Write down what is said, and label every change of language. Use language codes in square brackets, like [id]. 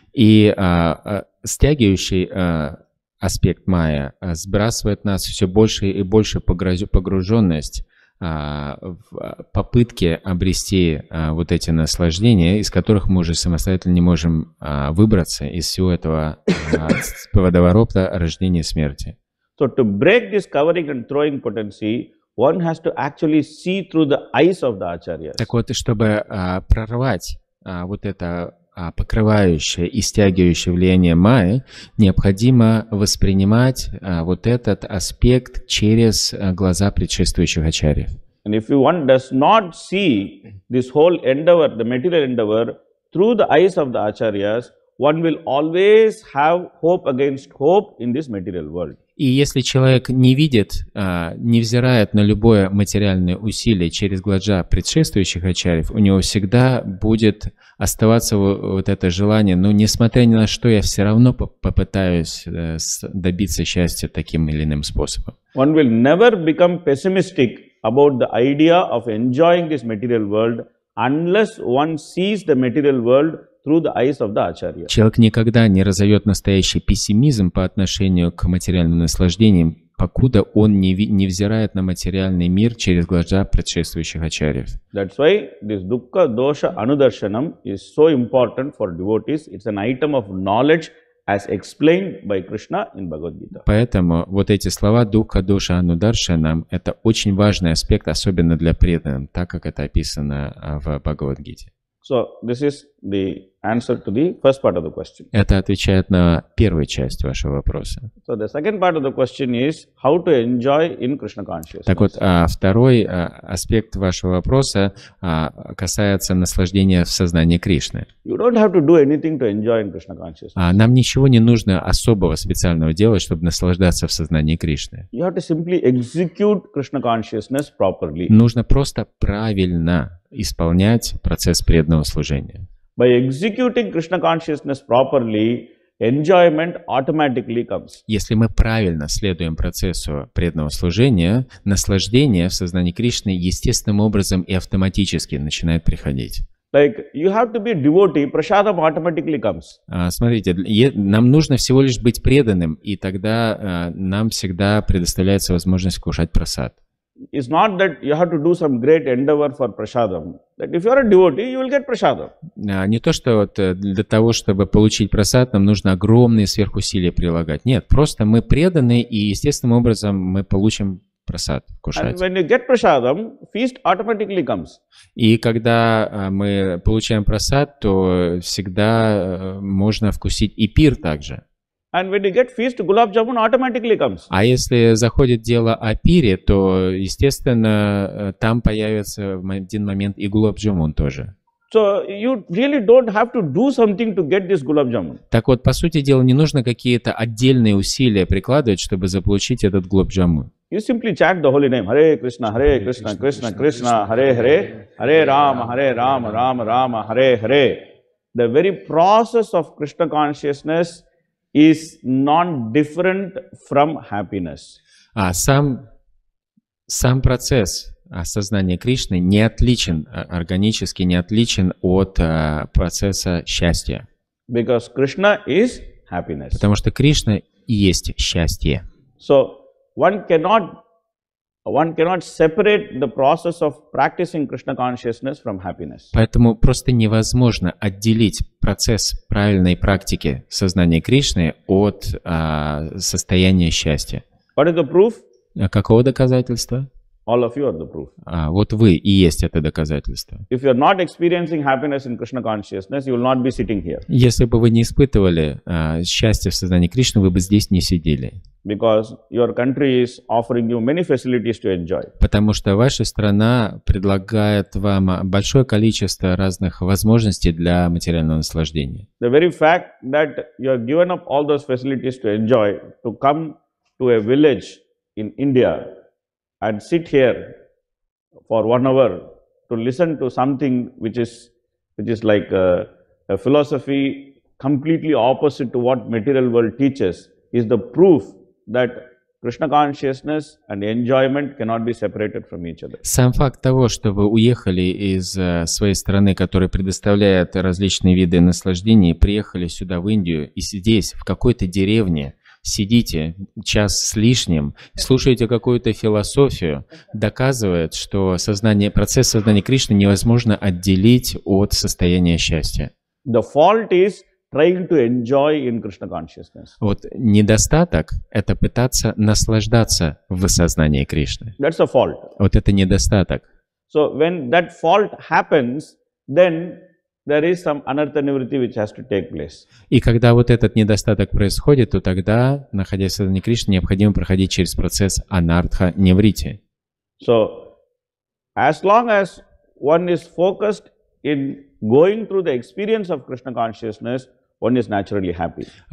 [ru] И стягивающий аспект майя сбрасывает нас все больше и больше погруженность в попытке обрести вот эти наслаждения, из которых мы уже самостоятельно не можем выбраться из всего этого водоворота рождения и смерти. [en] So to break this covering and throwing potency, one has to actually see through the eyes of the acharyas. [ru] Так вот, чтобы прорвать вот это покрывающее и стягивающее влияние майя, необходимо воспринимать вот этот аспект через глаза предшествующих ачарьев. [en] And if one does not see this whole endeavor, the material endeavor, through the eyes of the acharyas, one will always have hope against hope in this material world. [ru] И если человек не видит, невзирая на любое материальное усилие через глаза предшествующих ачарьев, у него всегда будет оставаться вот это желание, ну, несмотря ни на что, я все равно попытаюсь добиться счастья таким или иным способом. [en] One will never become pessimistic about the idea of enjoying this material world unless one sees the material world through the eyes of the acharya. [ru] Человек никогда не разовьет настоящий пессимизм по отношению к материальным наслаждениям, покуда он не взирает на материальный мир через глаза предшествующих ачарьев. [en] That's why this dukkha dosha anudarshanam is so important for devotees. It's an item of knowledge as explained by Krishna in Bhagavad Gita. [ru] Поэтому вот эти слова Духа, Душа, Анударшанам — это очень важный аспект, особенно для преданных, так как это описано в Бхагавад Гите. [en] So this is the answer to the first part of the question. [ru] Это отвечает на первую часть вашего вопроса. [en] So the second part of the question is how to enjoy in Krishna consciousness. [ru] Так вот, второй аспект вашего вопроса касается наслаждения в сознании Кришны. [en] You don't have to do anything to enjoy in Krishna consciousness. [ru] Нам ничего не нужно особого специального делать, чтобы наслаждаться в сознании Кришны. [en] You have to simply execute Krishna consciousness properly. [ru] Нужно просто правильно исполнять процесс преданного служения. [en] By executing Krishna consciousness properly, enjoyment automatically comes. [ru] Если мы правильно следуем процессу преданного служения, наслаждение в сознании Кришны естественным образом и автоматически начинает приходить. [en] Like you have to be a devotee, prasadam automatically comes. [ru] Смотрите, нам нужно всего лишь быть преданным, и тогда нам всегда предоставляется возможность кушать прасад. [en] It's not that you have to do some great endeavor for prasadam. That if you are a devotee, you will get prasadam. [ru] Не то, что вот для того, чтобы получить прасад, нам нужно огромные сверхусилия прилагать. Нет, просто мы преданы, и естественным образом мы получим прасад кушать. [en] And when you get prasadam, feast automatically comes. [ru] И когда мы получаем прасад, то всегда можно вкусить и пир также. [en] And when you get feast, gulab jamun automatically comes. [ru] А если заходит дело о пире, то естественно там появится в один момент и gulab jamun тоже. [en] So you really don't have to do something to get this gulab jamun. [ru] Так вот, по сути дела, не нужно какие-то отдельные усилия прикладывать, чтобы заполучить этот gulab jamun. [en] You simply chant the holy name, Hare Krishna, Hare Krishna, Krishna Krishna, Hare Hare, Hare Rama, Hare Rama, Rama Rama, Hare Hare. The very process of Krishna consciousness is not different from happiness. [ru] Сам процесс осознания Кришны не отличен, органически не отличен от процесса счастья. [en] Because Krishna is happiness. [ru] Потому что Кришна и есть счастье. [en] So one cannot separate the process of practicing Krishna consciousness from happiness. [ru] Поэтому просто невозможно отделить процесс правильной практики сознания Кришны от состояния счастья. [en] What is the proof? [ru] Какого доказательства? [en] All of you are the proof. [ru] Вот вы и есть это доказательство. [en] If you are not experiencing happiness in Krishna consciousness, you will not be sitting here. [ru] Если бы вы не испытывали счастье в сознании Кришны, вы бы здесь не сидели. [en] Because your country is offering you many facilities to enjoy. [ru] Потому что ваша страна предлагает вам большое количество разных возможностей для материального наслаждения. [en] The very fact that you have given up all those facilities to enjoy to come to a village in India and sit here for one hour to listen to something which is like a philosophy completely opposite to what material world teaches is the proof that Krishna consciousness and enjoyment cannot be separated from each other. [ru] Сам факт того, что вы уехали из своей страны, которая предоставляет различные виды наслаждений, приехали сюда в Индию и здесь, в какой-то деревне, сидите час с лишним, слушаете какую-то философию, доказывает, что процесс сознания Кришны невозможно отделить от состояния счастья. [en] The fault is trying to enjoy in Krishna consciousness. [ru] Вот недостаток — это пытаться наслаждаться в сознании Кришны. [en] That's a fault. [ru] Вот это недостаток. [en] So when that fault happens, then there is some anartha nivritti which has to take place. [ru] И когда вот этот недостаток происходит, то тогда, находясь в сознании Кришны, необходимо проходить через процесс анартха нивритти. [en] So as long as one is focused in going through the experience of Krishna consciousness, one is naturally happy.